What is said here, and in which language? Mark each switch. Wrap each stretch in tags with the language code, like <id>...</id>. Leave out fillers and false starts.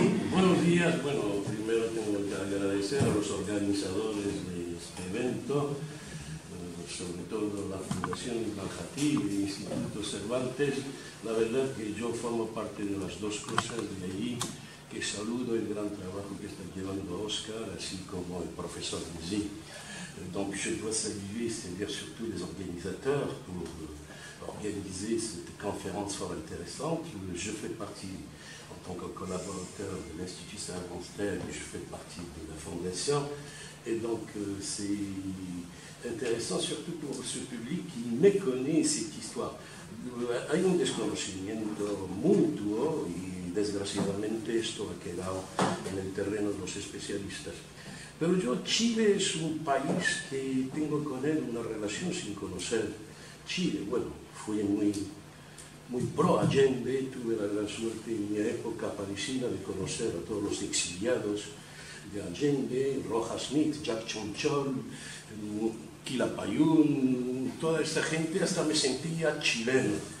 <es>Buenos días, bueno, primero tengo que agradecer a los organizadores de este evento, sobre todo la Fundación Banjatí y el Instituto Cervantes. La verdad que yo formo parte de las dos cosas, de ahí que saludo el gran trabajo que está llevando Oscar, así como el profesor Mizzi.</es> <fr>Donc je dois saluer, c'est-à-dire surtout les organisateurs pour organiser cette conférence fort intéressante. Je fais partie en tant que collaborateur de l'Institut Cervantes et je fais partie de la Fondation. Et donc c'est intéressant surtout pour ce public qui méconnaît cette histoire.</fr> <es>Hay un desconocimiento mutuo y desgraciadamente esto ha quedado en el terreno de los especialistas. Pero yo, Chile es un país que tengo con él una relación sin conocer Chile. Bueno, fui muy pro Allende, tuve la gran suerte en mi época parisina de conocer a todos los exiliados de Allende, Rojas Smith, Jack Chonchol, Quilapayún, toda esta gente, hasta me sentía chileno.</es>